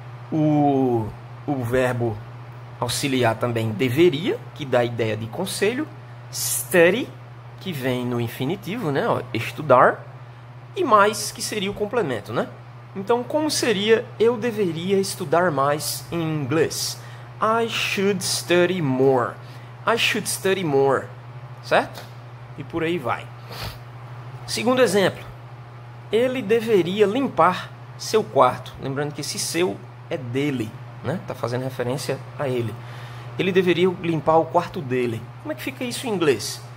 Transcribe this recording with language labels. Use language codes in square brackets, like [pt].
[pt] O verbo auxiliar também, deveria, que dá a ideia de conselho. Study, que vem no infinitivo, né? Estudar. E mais, que seria o complemento, né? Então, como seria eu deveria estudar mais em inglês? [en] I should study more. I should study more, certo? [pt] E por aí vai. Segundo exemplo, ele deveria limpar seu quarto. Lembrando que esse seu é dele, né? Tá fazendo referência a ele. Ele deveria limpar o quarto dele. Como é que fica isso em inglês?